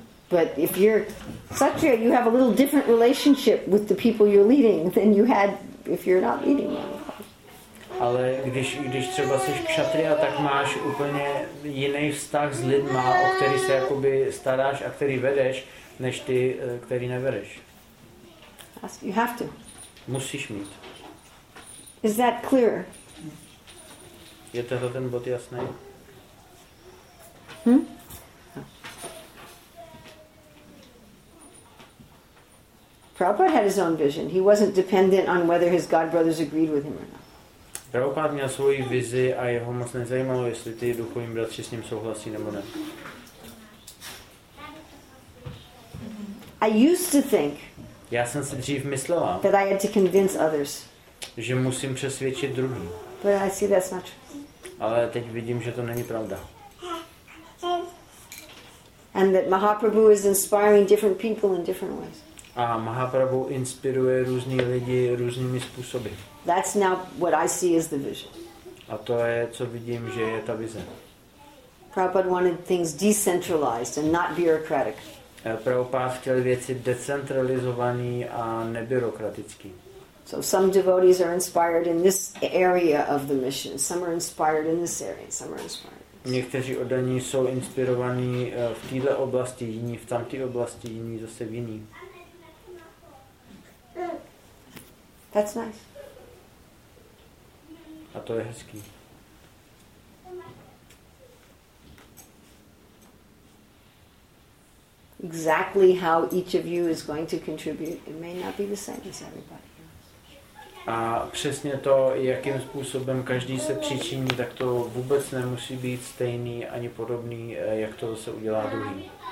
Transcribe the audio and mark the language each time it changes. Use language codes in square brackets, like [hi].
[en] But if you're kshatriya, you have a little different relationship with the people you're leading than you had if you're not leading them. [cs] Ale když třeba jsi kshatriya, tak máš úplně jiný vztah s lidma, o který se jakoby staráš a který vedeš, než ty, který nevedeš. [en] You have to. [cs] Musíš mít. [en] Is that clear? [cs] Je tohle ten bod jasný? [en] Prabhupada had his own vision. He wasn't dependent on whether his god brothers agreed with him or not. [cs] Prabhupada měl svoji vizi a jeho moc nezajímalo, jestli ty duchovní bratři s ním souhlasí nebo ne. [en] I used to think. [cs] Já jsem si dřív myslela, [en] that I had to convince others. [cs] Že musím přesvědčit druhý. [en] But I see that's not true. [cs] Ale teď vidím, že to není pravda. [en] And that Mahaprabhu is inspiring different people in different ways. [cs] A Mahaprabhu inspiruje různý lidi různými způsoby. [en] That's now what I see as the vision. [cs] A to je, co vidím, že je ta vize. [en] Prabhupada wanted things decentralized and not bureaucratic. [cs] Prabhupada chtěl věci decentralizovaný a nebyrokratický. [en] So some devotees are inspired in this area of the mission. Some are inspired in this area. Some are inspired. [cs] Někteří oddaní jsou inspirovaní v této oblasti, jiní v tamté oblasti, jiní zase v jiný. [en] That's nice. [cs] A to je hezký. [en] Exactly how each of you is going to contribute, it may not be the same as everybody. [cs] A přesně to, jakým způsobem každý se přičiní, tak to vůbec nemusí být stejný ani podobný, jak to se udělá druhý.